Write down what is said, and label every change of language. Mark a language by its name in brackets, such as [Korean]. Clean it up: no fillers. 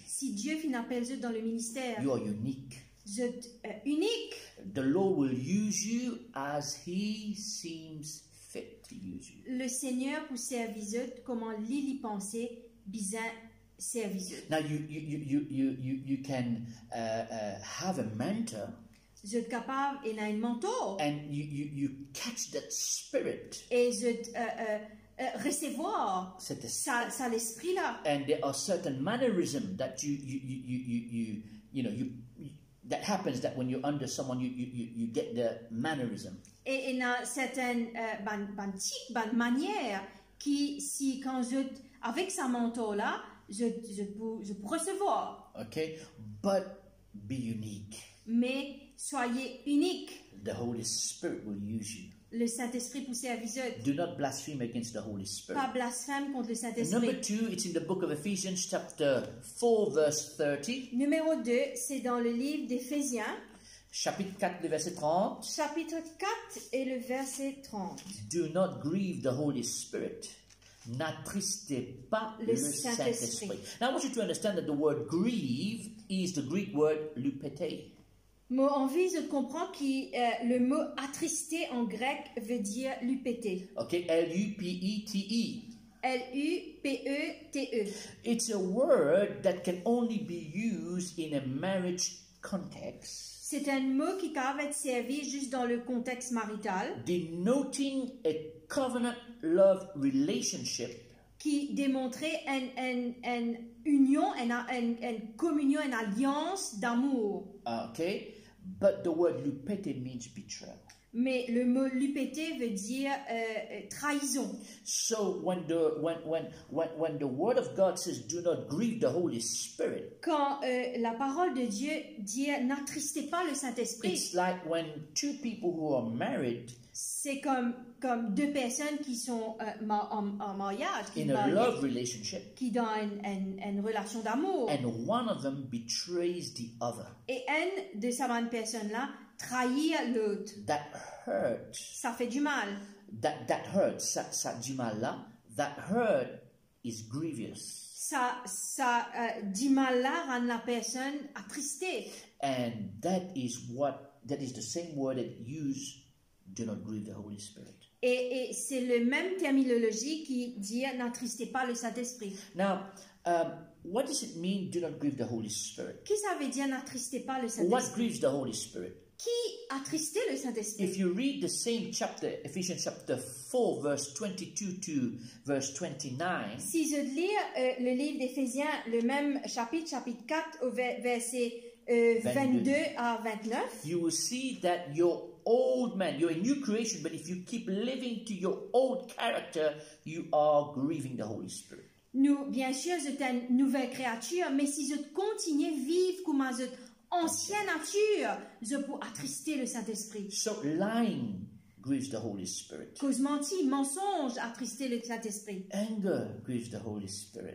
[French] si Dieu fait un appel à vous dans le ministère, [English] you are unique. [French] Vous êtes unique. [English] The Lord will use you as He seems fit to use you. [French] Le Seigneur vous servir vous comme il pensait bien servir vous. [English] Now you can have a mentor. [French] Vous êtes capable et un mentor. [English] And you catch that spirit. [French] Et vous êtes recevoir ça l'esprit là. [English] And there are certain mannerisms that you that happens that when you're under someone you get the mannerism. [French] Et il y a certaines bonne manière qui si quand je avec sa manteau là je peux recevoir. [English] Okay, but be unique. [French] Mais soyez unique. [English] The Holy Spirit will use you. [French] Le Saint-Esprit vous servira. [English] Do not blaspheme against the Holy Spirit. [French] Pas blasphème contre le Saint-Esprit. [English] Number two, it's in the book of Ephesians, chapter 4, verse 30. [French] Numéro 2, c'est dans le livre d'Éphésiens. Chapitre 4, le verset 30. Chapitre 4 et le verset 30. [English] Do not grieve the Holy Spirit. [French] N'attristez pas le Saint-Esprit. [English] Now I want you to understand that the word grieve is the Greek word lupete. [French] Moi, envie de comprendre que le mot attrister en grec veut dire lupete. [English] OK, L-U-P-E-T-E. [French] L-U-P-E-T-E. [English] It's a word that can only be used in a marriage context. [French] C'est un mot qui peut être servi juste dans le contexte marital. [English] Denoting a covenant love relationship. [French] Qui démontrait une union, une communion, une alliance d'amour. [English] OK. But the word lupete means betrayal. [French] Mais le mot lupete veut dire trahison. [English] So when the word of God says do not grieve the Holy Spirit. [French] Quand la parole de Dieu dit n'attristez pas le Saint-Esprit. [English] It's like when two people who are married. [French] C'est comme deux personnes qui sont en mariage. [English] In a love relationship. [French] Qui dans une relation d'amour. [English] And one of them betrays the other. [French] Et une de ces deux personnes-là trahit l'autre. [English] That hurts. [French] Ça fait du mal. [English] That hurts. [French] Ça du mal là. [English] That hurt is grievous. [French] Ça du mal là rend la personne attristée. [English] And that is the same word that used. Do not grieve the Holy Spirit. [French] Et c'est le même terminologie qui dit n'attristez pas le Saint-Esprit. [English] Now, what does it mean do not grieve the Holy Spirit? [French] Qu'est-ce que ça veut dire n'attristez pas le Saint-Esprit? [English] What grieves the Holy Spirit? [French] Qui attriste le Saint-Esprit? [English] If you read the same chapter, Ephesians chapter 4, verse 22 to verse 29. [French] Si je lis le livre d'Éphésiens, le même chapitre, chapitre 4, au verset 22 à 29. [English] You will see that your old man, you're a new creation, but if you keep living to your old character, you are grieving the Holy Spirit. [French] Nous, bien sûr, vous êtes une nouvelle créature, mais si vous continuez à vivre comme votre ancienne nature, vous pouvez attrister le Saint-Esprit. [English] So lying grieves the Holy Spirit. [French] Cause mentir, mensonge, attrister le Saint-Esprit. [English] Anger grieves the Holy Spirit.